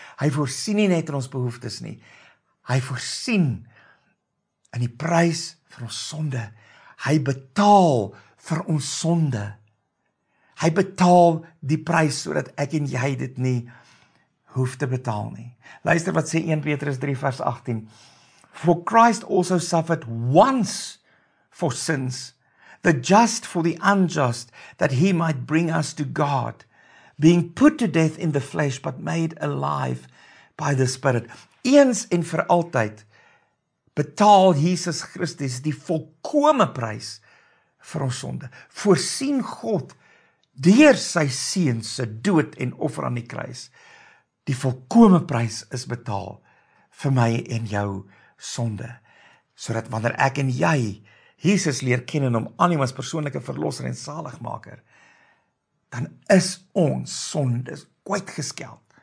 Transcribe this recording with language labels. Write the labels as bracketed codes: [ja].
[af] Hy voorsien nie net in ons behoeftes nie. Hy voorsien in die prys vir ons sonde. Hy betaal vir ons sonde. Hy betaal die prys sodat ek en jy dit nie hoef te betaal nie. Luister wat sê 1 Petrus 3 vers 18. [en] For Christ also suffered once for sins, the just for the unjust, that he might bring us to God, being put to death in the flesh, but made alive by the Spirit. [af] Eens en vir altyd betaal Jesus Christus die volkome prys vir ons sonde. Voorsien God deur sy seun se dood en offer aan die kruis. Die volkome prys is betaal vir my en jou sonde, sodat wanneer ek en jy Jesus leer ken en hom aanneem as persoonlike verlosser en saligmaker, dan is ons sondes kwytgeskeld.